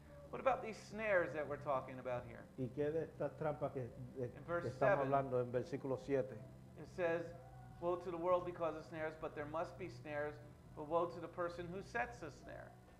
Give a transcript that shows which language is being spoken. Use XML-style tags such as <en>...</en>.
<en>What about these snares that we're talking about here?</en> <es>¿Y qué de estas trampas que estamos hablando en versículo 7?</es> <en>It says, woe to the world because of snares, but there must be snares, but woe to the person who sets a snare.</en>